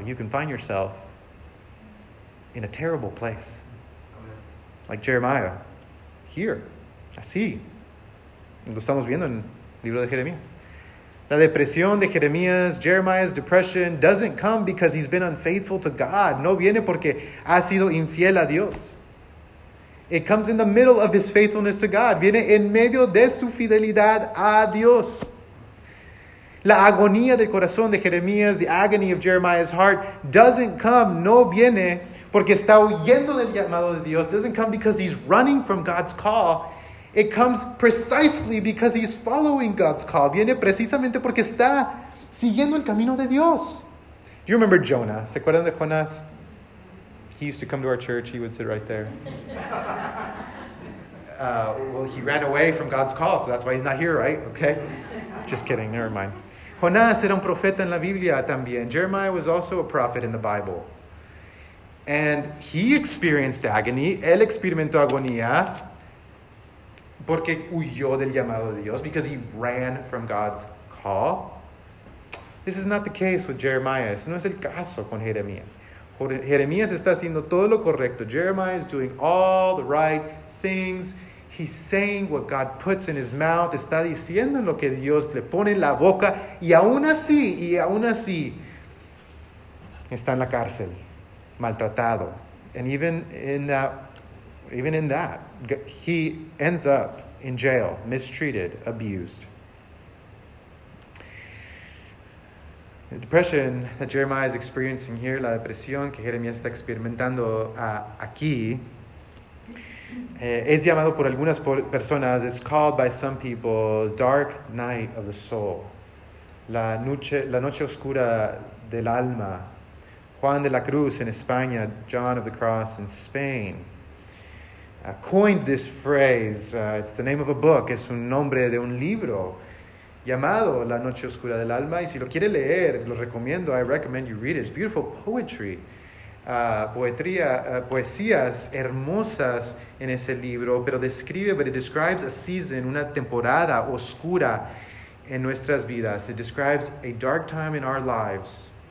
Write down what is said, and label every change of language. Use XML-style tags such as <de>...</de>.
<en>You can find yourself in a terrible place. Like Jeremiah, here,</en> <es>así. Lo estamos viendo en el libro de Jeremías. La depresión de Jeremías,</es> <en>Jeremiah's depression, doesn't come because he's been unfaithful to God.</en> <es>No viene porque ha sido infiel a Dios.</es> <en>It comes in the middle of his faithfulness to God.</en> <es>Viene en medio de su fidelidad a Dios. La agonía del corazón de Jeremías,</es> <en>the agony of Jeremiah's heart, doesn't come,</en> <es>no viene, porque está huyendo del llamado de Dios.</es> <en>Doesn't come because he's running from God's call. It comes precisely because he's following God's call.</en> <es>Viene precisamente porque está siguiendo el camino de Dios.</es> <en>Do you remember Jonah?</en> <es>¿Se acuerdan de Jonás?</es> <en>He used to come to our church. He would sit right there. Well, he ran away from God's call, so that's why he's not here, right? Okay. Just kidding. Never mind.</en> <es>Jonás era un profeta en la Biblia también.</es> <en>Jeremiah was also a prophet in the Bible. And he experienced agony.</en> <es>Él experimentó agonía. Porque huyó del llamado de Dios.</es> <en>Because he ran from God's call. This is not the case with Jeremiah.</en> <es>Eso no es el caso con Jeremías. Jeremías está haciendo todo lo correcto.</es> <en>Jeremiah is doing all the right things. He's saying what God puts in his mouth.</en> <es>Está diciendo lo que Dios le pone en la boca. Y aún así, está en la cárcel, maltratado.</es> <en>And even in that, he ends up in jail, mistreated, abused. The depression that Jeremiah is experiencing here,</en> <es>la depresión que Jeremías está experimentando aquí, es llamado por algunas personas,</es> <en>it's called by some people, dark night of the soul.</en> <es>La noche oscura del alma.</es> <en>Juan de la Cruz in España, John of the Cross in Spain, coined this phrase. It's the name of a book.</en> <es>Es un nombre de un libro llamado La Noche Oscura del Alma. Y si lo quiere leer, lo recomiendo.</es> <en>I recommend you read it. It's beautiful poetry.</en> <es>Poesías hermosas en ese libro,</es> <en>but it describes a season,</en> <es>una temporada oscura en nuestras vidas.</es> <en>It describes a dark time in our lives.</en>